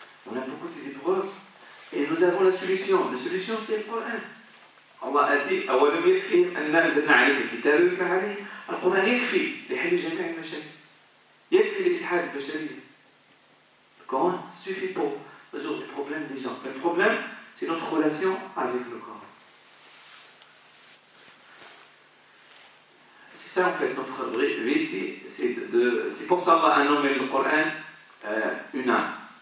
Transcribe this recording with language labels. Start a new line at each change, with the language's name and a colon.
French: On a beaucoup d'épreuves et nous avons la solution. La solution, c'est le Coran. Allah a dit
Arabic: أَوَلُمْ يَكْفِي أَنَّا أَنزَلْنَا عَلَيْكَ الْكِتَابَ يُتْلَى عَلَيْهِمْ. القرآن يكفي لحل جميع المشاكل. يكفي لإسعاد البشرية.
French: القرآن suffit pour résoudre les problèmes des gens. Le problème, c'est notre relation avec le Coran. C'est ça en fait notre vie, c'est pour ça qu'un homme et le Coran, une âme.